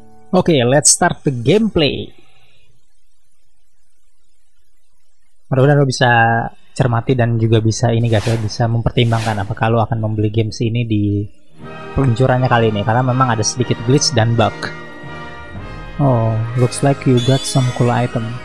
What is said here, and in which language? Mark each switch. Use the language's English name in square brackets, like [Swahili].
[English] Oke, okay, let's start the gameplay. [Indonesian] Mudah-mudahan lo bisa cermati dan juga bisa ini guys ya, bisa mempertimbangkan apakah lo akan membeli games ini di peluncurannya kali ini, karena memang ada sedikit glitch dan bug. [English] Oh, looks like you got some cool item.